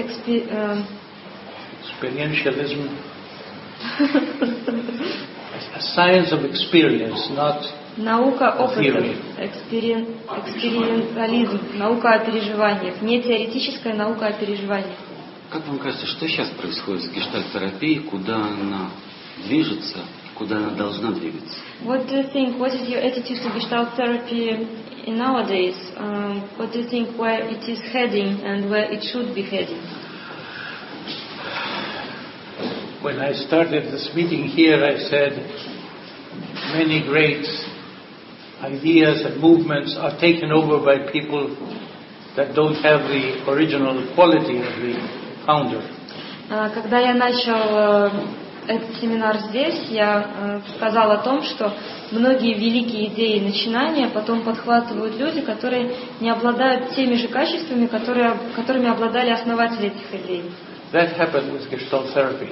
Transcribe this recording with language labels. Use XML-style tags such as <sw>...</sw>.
<en>experientialism. A science of experience, not</en> <ru>наука опыта, экспериментализм, наука о переживаниях, не теоретическая наука о переживаниях. Как вам кажется, что сейчас происходит с гештальт-терапией, куда она движется, куда она должна двигаться?</ru> <en>What do you think? What is your attitude to gestalt therapy nowadays? What do you think where it is heading and where it should be heading? When I started this meeting here, I said many great ideas and movements are taken over by people that don't have the original quality of the founder.</en> <ru>Когда я начал этот семинар здесь, я сказал о том, что многие великие идеи и начинания потом подхватывают люди, которые не обладают теми же качествами, которыми обладали основатели этих идей.</ru> <en>That happened with gestalt therapy.</en>